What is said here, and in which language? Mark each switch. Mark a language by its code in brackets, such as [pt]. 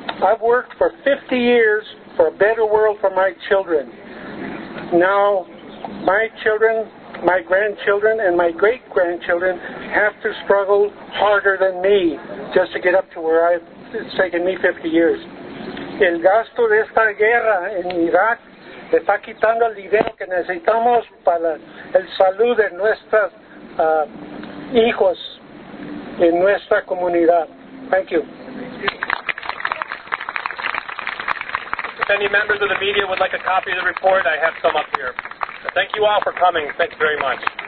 [en] I've worked for 50 years for a better world for my children. Now, my children, my grandchildren, and my great-grandchildren have to struggle harder than me just to get up to where it's taken me 50 years. [es] El gasto de esta guerra en Irak está quitando el dinero que necesitamos para el salud de nuestros hijos en nuestra comunidad. [en] Thank you. If any members of the media would like a copy of the report, I have some up here. Thank you all for coming. Thank you very much.